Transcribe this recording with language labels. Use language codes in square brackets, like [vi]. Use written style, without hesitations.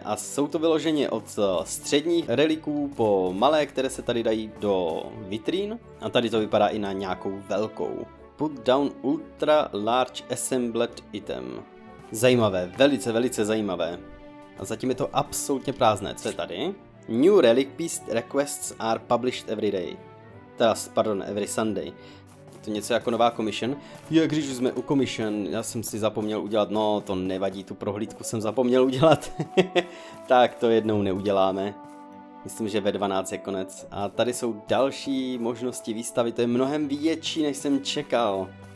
[cs] A jsou to vyloženě od středních reliků po malé, které se tady dají do vitrín. A tady to vypadá i na nějakou velkou. [en] Put down ultra large assembled item. [cs] Zajímavé, velice, velice zajímavé. A zatím je to absolutně prázdné. Co je tady? [en] New relic piece requests are published every day. Every Sunday. [cs] To něco jako nová commission. Jak když jsme u commission, já jsem si zapomněl udělat, no to nevadí, tu prohlídku jsem zapomněl udělat. Tak to jednou neuděláme. Myslím, že ve 12 je konec. A tady jsou další možnosti výstavy, to je mnohem větší, než jsem čekal.